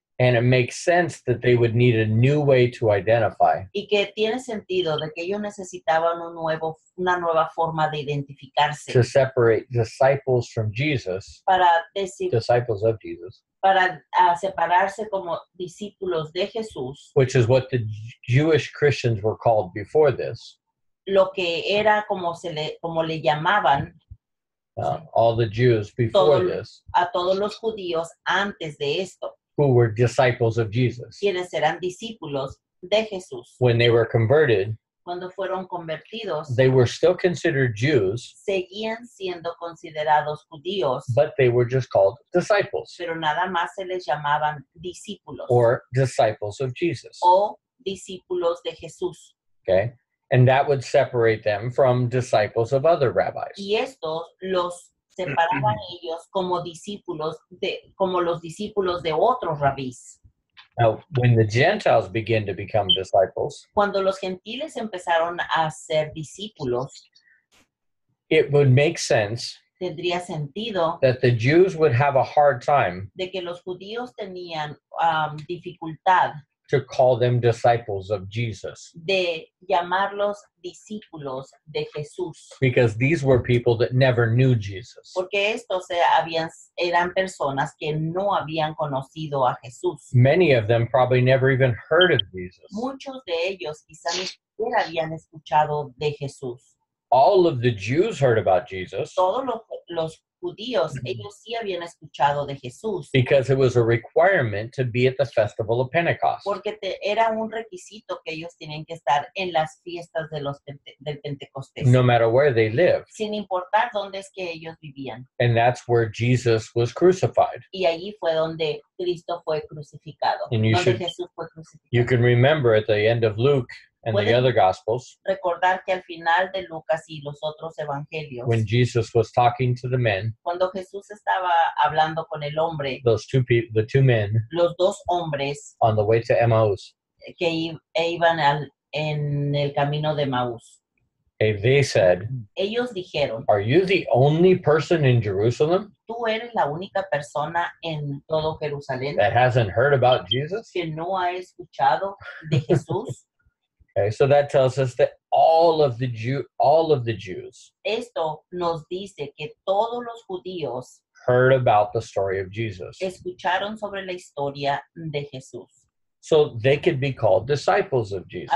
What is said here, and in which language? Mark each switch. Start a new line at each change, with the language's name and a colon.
English: And it makes sense that they would need a new way to identify.
Spanish: Y que tiene sentido de que ellos necesitaban una nueva forma de identificarse.
English: To separate disciples from Jesus. Disciples of Jesus.
Spanish: Para separarse como discípulos de Jesús.
English: Which is what the Jewish Christians were called before this.
Spanish: Lo que era como le llamaban.
English: All the Jews before this.
Spanish: A todos los judíos antes de esto.
English: Who were disciples of Jesus.
Spanish: Quienes eran discípulos de Jesús.
English: When they were converted.
Spanish: Cuando fueron convertidos.
English: They were still considered Jews.
Spanish: Seguían siendo considerados judíos.
English: But they were just called disciples.
Spanish: Pero nada más se les llamaban discípulos.
English: Or disciples of Jesus.
Spanish: O discípulos de Jesús.
English: Okay. And that would separate them from disciples of other rabbis.
Spanish: Y estos los separaban ellos como discípulos de como los discípulos de otros rabíes.
English: Now, when the Gentiles begin to become disciples,
Spanish: cuando los gentiles empezaron a ser discípulos,
English: it would make sense.
Spanish: Tendría sentido
English: that the Jews would have a hard time.
Spanish: De que los judíos tenían dificultad
English: to call them disciples of Jesus.
Spanish: De llamarlos discípulos de Jesús.
English: Because these were people that never knew Jesus.
Spanish: Porque estos eran personas que no habían conocido a Jesús.
English: Many of them probably never even heard of Jesus.
Spanish: Muchos de ellos quizás ni siquiera habían escuchado de Jesús.
English: All of the Jews heard about Jesus.
Spanish: Todos los judíos, ellos sí habían escuchado de Jesús.
English: Because it was a requirement to be at the festival of Pentecost.
Spanish: Porque era un requisito que ellos tenían que estar en las fiestas del Pentecostés.
English: No matter where they lived.
Spanish: Sin importar dónde es que ellos vivían.
English: And that's where Jesus was crucified.
Spanish: Y allí fue donde Cristo fue crucificado.
English: And you should,
Spanish: Jesús fue crucificado.
English: You can remember at the end of Luke. And the other gospels.
Spanish: Recordar que al final de Lucas y los otros evangelios.
English: When Jesus was talking to the men.
Spanish: Cuando Jesús estaba hablando con el hombre.
English: Those two people, the two men.
Spanish: Los dos hombres.
English: On the way to Emmaus.
Spanish: Que iban en el camino de Emmaus.
English: They said.
Spanish: Ellos dijeron.
English: Are you the only person in Jerusalem?
Spanish: Tú eres la única persona en todo Jerusalén.
English: That hasn't heard about Jesus.
Spanish: Que no ha escuchado de Jesús.
English: Okay, so that tells us that all of the Jews.
Spanish: Esto nos dice que todos los judíos
English: heard about the story of Jesus.
Spanish: Escucharon sobre la historia de Jesús.
English: So they could be called disciples of Jesus.